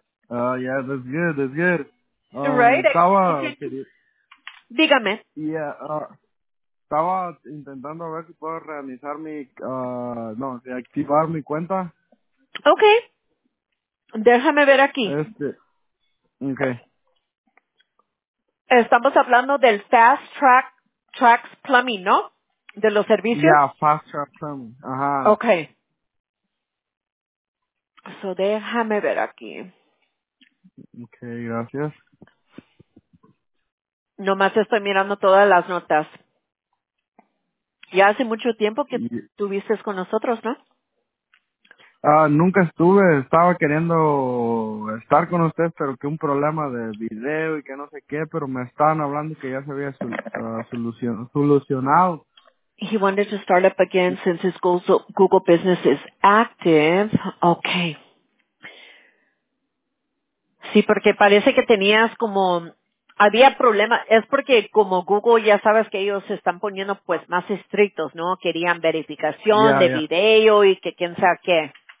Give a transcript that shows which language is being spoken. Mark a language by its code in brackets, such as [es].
[en] Yeah, that's good, that's good. Right? [es] Estaba... Dígame. Yeah, estaba intentando ver si puedo reanizar mi, activar mi cuenta. Okay. Déjame ver aquí. Okay. Estamos hablando del Fast Track Tracks Plumbing, ¿no? De los servicios. [en] Yeah, Fast Track Plumbing. Ajá. Okay. [es] So déjame ver aquí. Okay, gracias. Nomás estoy mirando todas las notas. Ya hace mucho tiempo que estuviste con nosotros, ¿no? Nunca estuve, estaba queriendo estar con usted, pero que un problema de video y que no sé qué, pero me estaban hablando que ya se había solucionado. [en] He wanted to start up again since his Google business is active. Okay. [es] Sí, porque parece que tenías como, había problema, es porque como Google ya sabes que ellos se están poniendo pues más estrictos, ¿no? Querían verificación video y que quién sabe qué.